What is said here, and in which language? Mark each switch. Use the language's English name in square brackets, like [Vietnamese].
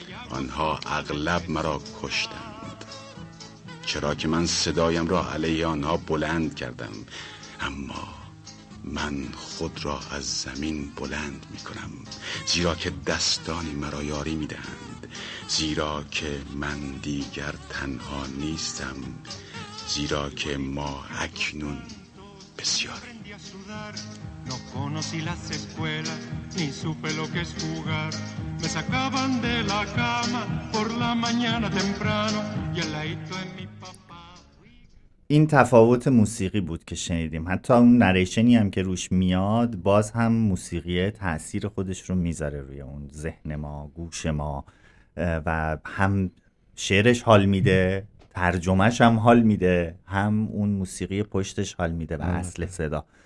[Persian] آنها اغلب مرا کشتند چرا که من صدایم را علیه آنها بلند کردم، اما من خود را از زمین بلند می کنم، زیرا که دستانی مرا یاری می دهند، زیرا که من دیگر تنها نیستم، زیرا که ما اکنون بسیاریم. [Spanish] No conocí las escuelas, ni supe lo que es jugar. Me sacaban de la cama por la mañana temprano y el aito en mi papá. [Persian] این تفاوت موسیقی بود که شنیدیم. حتی اون نریشنی هم که روش میاد، باز هم موسیقی تأثیر خودش رو میذاره روی اون ذهن ما، گوش ما، و هم شعرش حال میده، ترجمهش هم حال میده، هم اون موسیقی پشتش حال میده و اصل صدا.